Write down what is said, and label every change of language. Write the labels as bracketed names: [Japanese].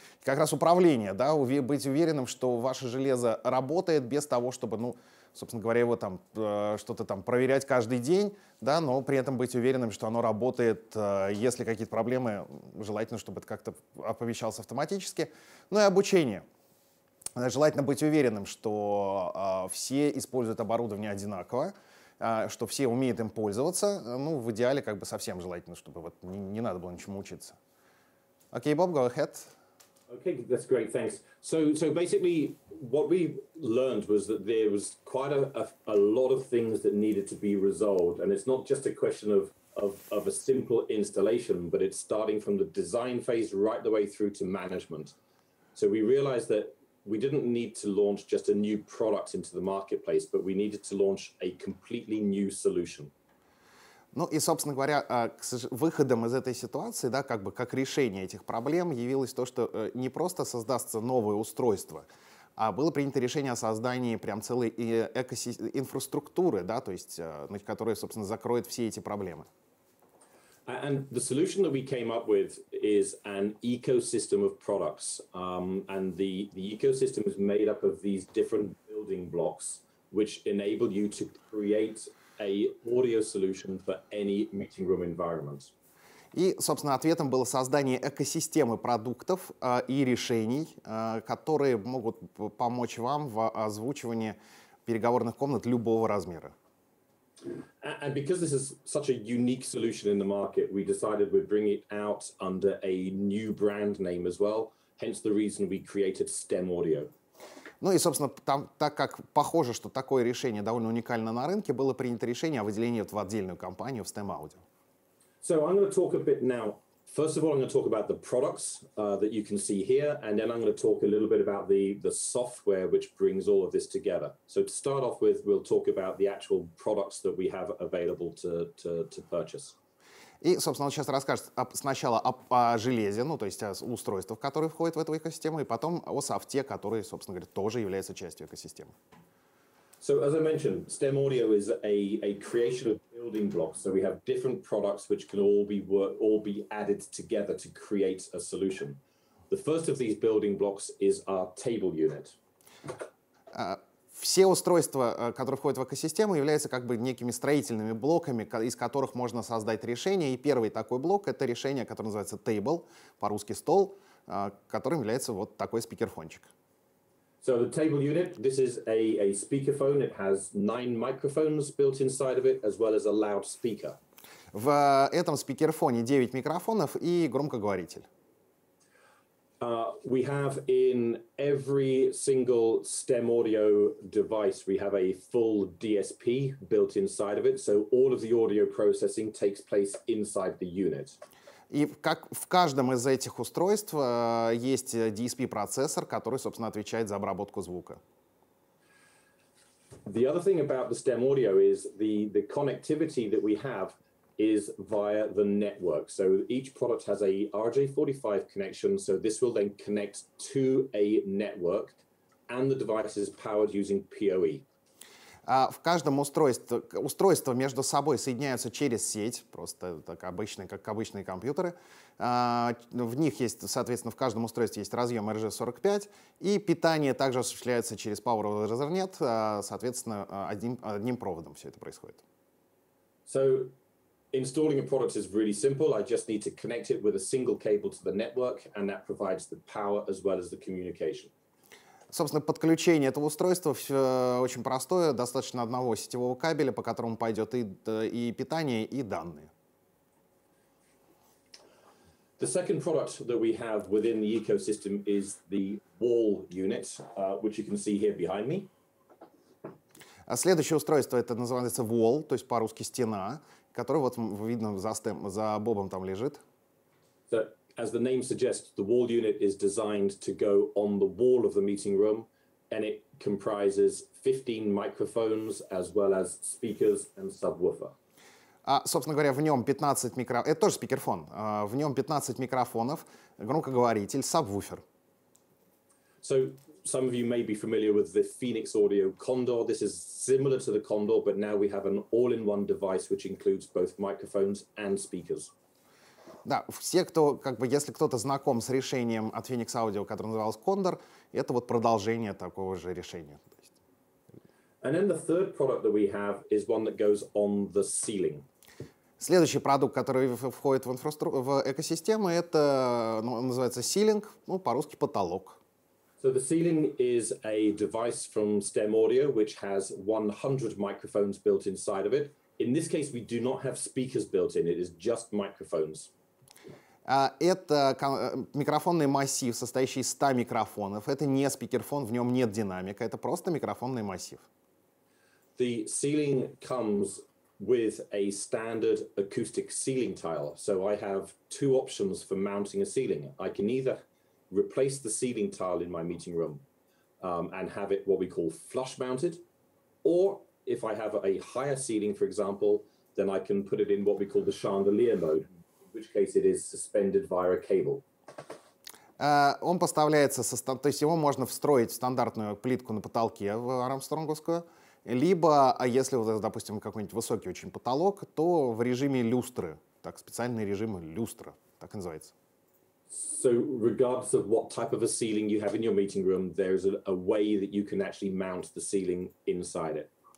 [Russian] Как раз управление, да, быть уверенным, что ваше железо работает без того, чтобы, ну, собственно говоря, его там что-то там проверять каждый день, да, но при этом быть уверенным, что оно работает, если какие-то проблемы, желательно, чтобы это как-то оповещалось автоматически. Ну и обучение. Желательно быть уверенным, что все используют оборудование одинаково, что все умеют им пользоваться. Ну, в идеале, как бы совсем желательно, чтобы вот не надо было ничему учиться. Окей, Боб, [English] go ahead. Okay, that's great, thanks. So basically, what we learned was that there was quite a lot of things that needed to be resolved, and it's not just a question of a simple installation, but it's starting from the design phase right the way through to management. So we realized that we didn't need to launch just a new product into the marketplace, but we needed to launch a completely new solution. [Russian] Ну и, собственно говоря, выходом из этой ситуации, да, как бы как решение этих проблем, явилось то, что не просто создастся новое устройство, а было принято решение о создании прям целой инфраструктуры, да, то есть, которая, собственно, закроет все эти проблемы. [English] And the solution that we came up with is an ecosystem of products. And the ecosystem is made up of these different building blocks, which enable you to create a audio solution for any meeting room environment. [Russian] И, собственно, ответом было создание экосистемы продуктов и решений, которые могут помочь вам в озвучивании переговорных комнат любого размера. [English] And because this is such a unique solution in the market, we decided we'd bring it out under a new brand name as well, hence the reason we created STEM Audio. [Russian] Ну и, собственно, там, так как похоже, что такое решение довольно уникально на рынке, было принято решение о выделении в отдельную компанию, в STEM Audio. [English] So I'm going to talk a bit now. First of all, I'm going to talk about the products that you can see here, and then I'm going to talk a little bit about the software which brings all of this together. So to start off with, we'll talk about the actual products that we have available to purchase. [Russian] И, собственно, он сейчас расскажет сначала о железе, ну, то есть о устройствах, которые входят в эту экосистему, и потом о софте, который, собственно говоря, тоже является частью экосистемы. [English] So, as I mentioned, STEM Audio is a creation of building blocks. So we have different products which can all be added together to create a solution. The first of these building blocks is our table unit. [Russian] Все устройства, которые входят в экосистему, являются как бы некими строительными блоками, из которых можно создать решение. И первый такой блок — это решение, которое называется table, по-русски стол, которым является вот такой спикерфончик. [English] So the table unit, this is a speakerphone. It has 9 microphones built inside of it, as well as a loudspeaker. [Russian] В этом спикерфоне 9 микрофонов и громкоговоритель. [English] We have in every single STEM audio device, we have a full DSP built inside of it. So all of the audio processing takes place inside the unit. [Russian] И как в каждом из этих устройств есть DSP-процессор, который, собственно, отвечает за обработку звука. [English] The other thing about the STEM audio is the connectivity that we have is via the network. So each product has a RJ45 connection, so this will then connect to a network, and the device is powered using PoE. [Russian] В каждом устройства между собой соединяются через сеть, просто так обычные, как обычные компьютеры. В них есть, соответственно, в каждом устройстве есть разъем RJ45, и питание также осуществляется через Power of Ethernet, соответственно, одним проводом все это происходит. [English] So, installing a product is really simple. I just need to connect it with a single cable to the network, and that provides the power as well as the communication. [Russian] Собственно, подключение этого устройства очень простое, достаточно одного сетевого кабеля, по которому пойдет и питание, и данные. [English] The second product that we have within the ecosystem is the wall unit, which you can see here behind me. [Russian] А следующее устройство, это называется wall, то есть по-русски стена, которое вот видно за Бобом там лежит. [English] As the name suggests, the wall unit is designed to go on the wall of the meeting room, and it comprises 15 microphones as well as speakers and subwoofer. [Russian] Собственно говоря, в нем 15 микрофонов. Это тоже спикерфон. В нем 15 микрофонов, громкоговоритель, сабвуфер. [English] So some of you may be familiar with the Phoenix Audio Condor. This is similar to the Condor, but now we have an all-in-one device which includes both microphones and speakers. [Russian] Да, все, кто, как бы, если кто-то знаком с решением от Phoenix Audio, которое называлось Condor, это вот продолжение такого же решения. [English] And then the third product that we have is one that goes on the ceiling. [Russian] Следующий продукт, который входит в экосистему, это, ну, называется ceiling, ну, по-русски потолок. [English] So the ceiling is a device from STEM Audio, which has 100 microphones built inside of it. In this case, we do not have speakers built in, it is just microphones. [Russian] Это микрофонный массив, состоящий из 100 микрофонов. Это не спикерфон, в нем нет динамика, это просто микрофонный массив. [English] The ceiling comes with a standard acoustic ceiling tile. So I have two options for mounting a ceiling. I can either replace the ceiling tile in my meeting room and have it what we call flush mounted, or if I have a higher ceiling, for example, then I can put it in what we call the chandelier mode, in which case it is suspended via a cable. [Russian] Он поставляется, то есть его можно встроить в стандартную плитку на потолке в армстронговскую, либо, если, допустим, какой-нибудь высокий очень потолок, то в режиме люстры, так, специальный режим люстра, так и называется. [English] So, regardless of what type of a ceiling you have in your meeting room, there's a way that you can actually mount the ceiling inside it.